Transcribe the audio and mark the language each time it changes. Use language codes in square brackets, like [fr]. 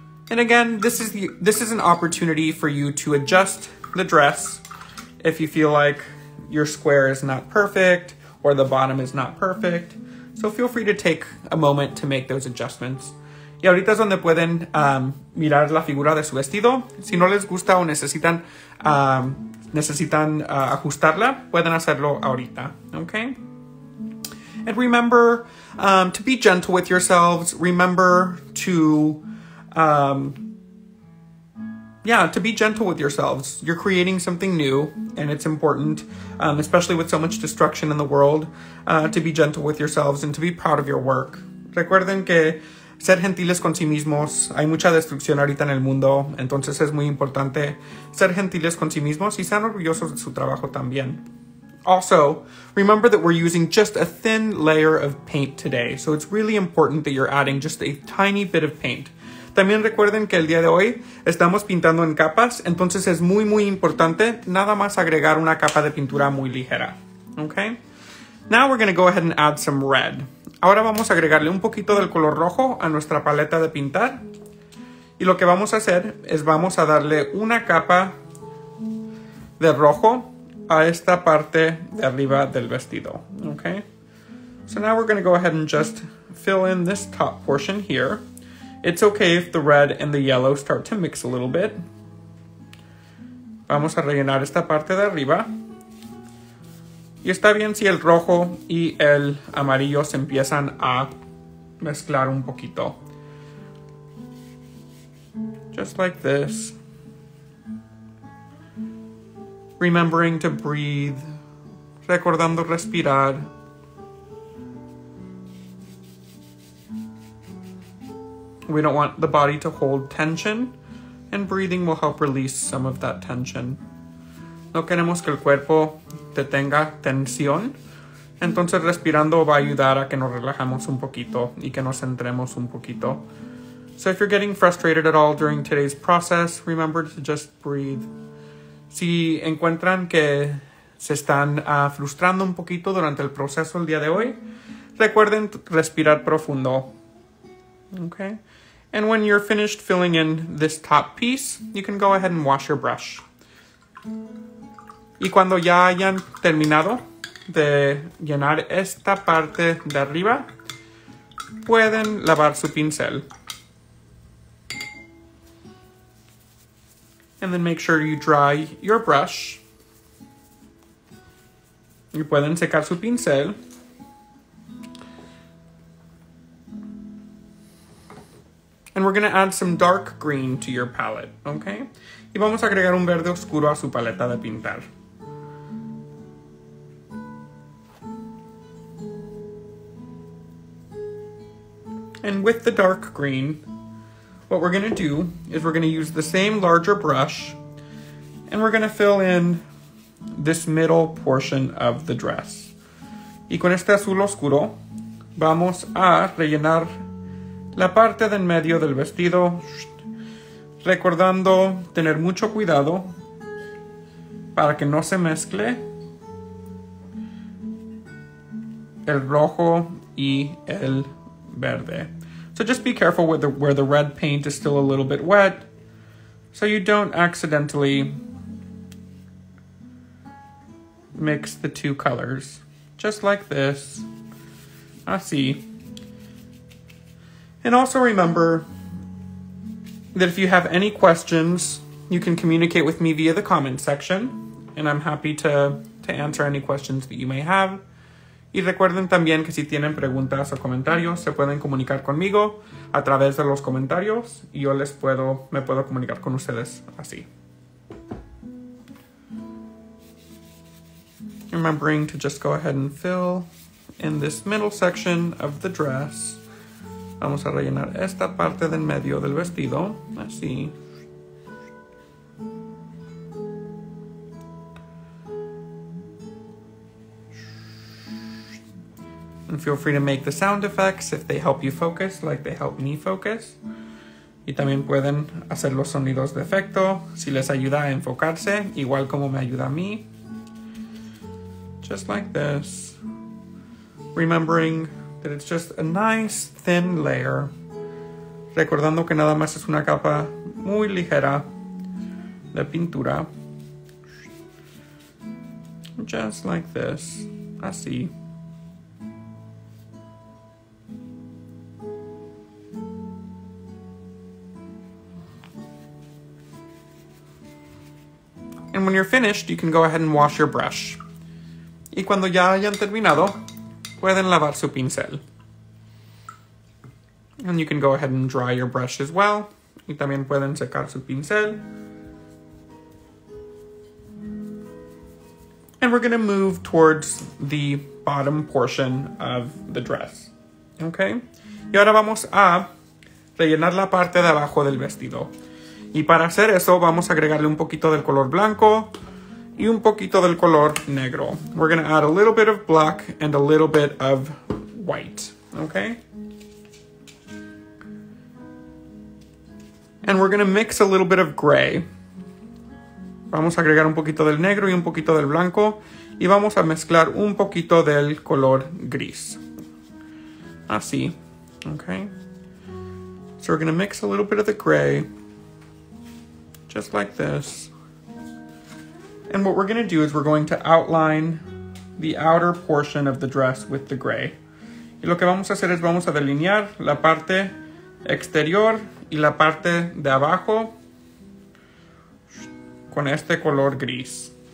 [en] And again, this is an opportunity for you to adjust the dress if you feel like your square is not perfect or the bottom is not perfect. So feel free to take a moment to make those adjustments. [es] Y ahorita es donde pueden mirar la figura de su vestido. Si no les gusta o necesitan ajustarla, pueden hacerlo ahorita, okay? [en] And remember to be gentle with yourselves. Remember to be gentle with yourselves. You're creating something new, and it's important, especially with so much destruction in the world, to be gentle with yourselves and to be proud of your work. [es] Recuerden que ser gentiles con sí mismos, hay mucha destrucción ahorita en el mundo, entonces es muy importante ser gentiles con sí mismos y sean orgullosos de su trabajo también. [en] Also, remember that we're using just a thin layer of paint today, so it's really important that you're adding just a tiny bit of paint. [es] También recuerden que el día de hoy estamos pintando en capas, entonces es muy, muy importante nada más agregar una capa de pintura muy ligera. [en] Okay? Now we're going to go ahead and add some red. [es] Ahora vamos a agregarle un poquito del color rojo a nuestra paleta de pintar. Y lo que vamos a hacer es vamos a darle una capa de rojo a esta parte de arriba del vestido. [en] Okay? So now we're going to go ahead and just fill in this top portion here. It's okay if the red and the yellow start to mix a little bit. [es] Vamos a rellenar esta parte de arriba. Y está bien si el rojo y el amarillo se empiezan a mezclar un poquito. [en] Just like this. Remembering to breathe. [es] Recordando respirar. [en] We don't want the body to hold tension, and breathing will help release some of that tension. [es] No queremos que el cuerpo detenga tensión, entonces respirando va a ayudar a que nos relajemos un poquito y que nos centremos un poquito. [en] So if you're getting frustrated at all during today's process, remember to just breathe. [es] Si encuentran que se están frustrando un poquito durante el proceso el día de hoy, recuerden respirar profundo. [en] Okay. And when you're finished filling in this top piece, you can go ahead and wash your brush. [es] Y cuando ya hayan terminado de llenar esta parte de arriba, pueden lavar su pincel. [en] And then make sure you dry your brush. [es] Y pueden secar su pincel. [en] And we're going to add some dark green to your palette, okay? [es] Y vamos a agregar un verde oscuro a su paleta de pintar. [en] And with the dark green, what we're going to do is we're going to use the same larger brush, and we're going to fill in this middle portion of the dress. [es] Y con este azul oscuro, vamos a rellenar la parte del medio del vestido, recordando tener mucho cuidado para que no se mezcle el rojo y el verde. [en] So just be careful with where the red paint is still a little bit wet, so you don't accidentally mix the two colors. Just like this. [es] Así. [en] And also remember that if you have any questions, you can communicate with me via the comment section, and I'm happy to answer any questions that you may have. [es] Y recuerden también que si tienen preguntas o comentarios, se pueden comunicar conmigo a través de los comentarios, y yo me puedo comunicar con ustedes así. [en] Remembering to just go ahead and fill in this middle section of the dress. [es] Vamos a rellenar esta parte del medio del vestido, así. [en] And feel free to make the sound effects if they help you focus, like they help me focus. [es] Y también pueden hacer los sonidos de efecto, si les ayuda a enfocarse, igual como me ayuda a mí. [en] Just like this. Remembering that it's just a nice thin layer. [es] Recordando que nada más es una capa muy ligera de pintura. [en] Just like this. [es] Así. [en] And when you're finished, you can go ahead and wash your brush. [es] Y cuando ya hayan terminado, pueden lavar su pincel. [en] And you can go ahead and dry your brush as well. [es] Y también pueden secar su pincel. [en] And we're going to move towards the bottom portion of the dress. Okay? [es] Y ahora vamos a rellenar la parte de abajo del vestido. Y para hacer eso, vamos a agregarle un poquito del color blanco y un poquito del color negro. [en] We're going to add a little bit of black and a little bit of white, okay? And we're going to mix a little bit of gray. [es] Vamos a agregar un poquito del negro y un poquito del blanco. Y vamos a mezclar un poquito del color gris. Así, okay? [en] So we're going to mix a little bit of the gray, just like this. And what we're going to do is we're going to outline the outer portion of the dress with the gray. [es] Y lo que vamos a hacer es vamos a delinear la parte exterior y la parte de abajo con este color gris.